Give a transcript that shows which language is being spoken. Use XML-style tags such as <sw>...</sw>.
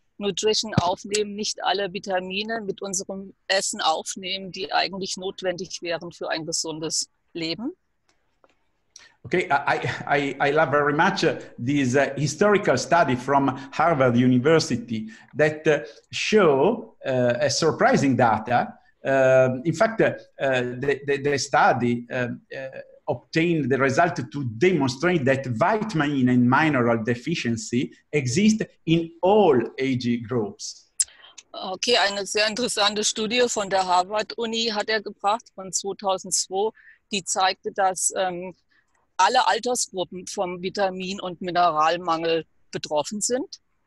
<de>Nutrition aufnehmen, nicht alle Vitamine mit unserem Essen aufnehmen, die eigentlich notwendig wären für ein gesundes Leben.</de> <en>Okay, I love very much this historical study from Harvard University that show a surprising data. In fact, the study obtained the result to demonstrate that vitamin and mineral deficiency exist in all age groups.</en> <de>Okay, eine sehr interessante Studie von der Harvard-Uni hat er gebracht von 2002, die zeigte, dass alle Altersgruppen vom Vitamin- und Mineralmangel betroffen sind.</de>